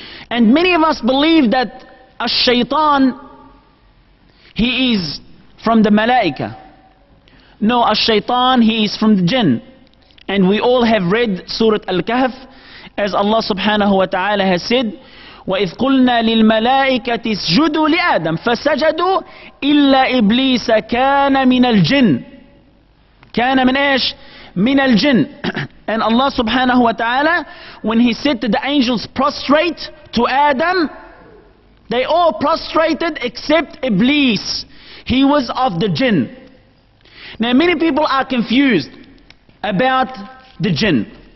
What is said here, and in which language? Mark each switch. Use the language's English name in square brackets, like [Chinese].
[English] And many of us believe that al-shaytan, he is from the malaika. No, al-shaytan, he is from the jinn. And we all have read Surah Al-Kahf, as Allah subhanahu wa ta'ala has said, [Arabic] وإذ قلنا للملائكة اسجدوا لآدم فسجدوا إلا إبليس كان من الجن. كان من إيش؟ من الجن. [English] And Allah subhanahu wa ta'ala, when He said to the angels, prostrate to Adam, they all prostrated except Iblis. He was of the jinn. Now many people are confused about the jinn.